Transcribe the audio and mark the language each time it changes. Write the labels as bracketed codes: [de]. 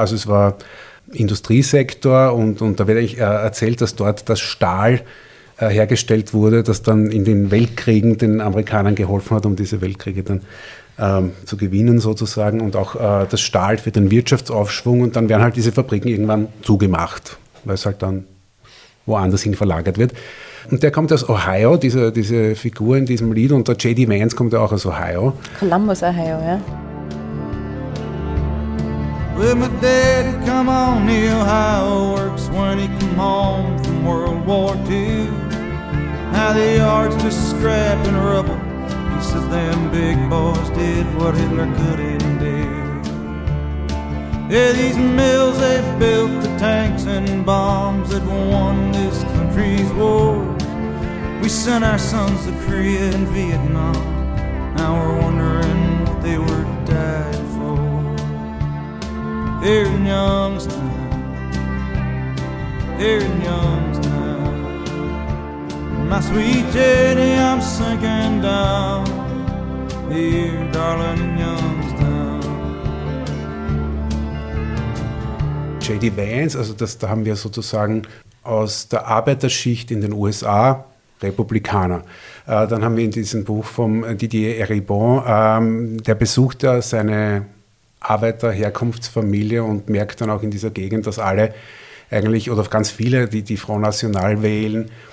[de] Also es war Industriesektor und da wird eigentlich erzählt, dass dort das Stahl hergestellt wurde, das dann in den Weltkriegen den Amerikanern geholfen hat, um diese Weltkriege dann zu gewinnen sozusagen und auch das Stahl für den Wirtschaftsaufschwung und dann werden halt diese Fabriken irgendwann zugemacht, weil es halt dann woanders hin verlagert wird. Und der kommt aus Ohio, diese Figur in diesem Lied und der J.D. Vance kommt ja auch aus Ohio. Columbus, Ohio, ja. [en] Well, my daddy come on the Ohio works when he come home from World War II. Now the yard's just scrap and rubble. He said them big boys did what Hitler couldn't do. Yeah, these mills, they built the tanks and bombs that won this country's war. We sent our sons to Korea and Vietnam. Now we're wondering what they were dying for. Here in Youngstown, here in Youngstown, my sweet Jenny, I'm sinking down. Here, darling, in Youngstown. [de] J.D. Vance, also das, da haben wir sozusagen aus der Arbeiterschicht in den USA Republikaner. Dann haben wir in diesem Buch von Didier Eribon, der besucht da seine Arbeiterherkunftsfamilie und merkt dann auch in dieser Gegend, dass alle eigentlich oder ganz viele die Front National wählen.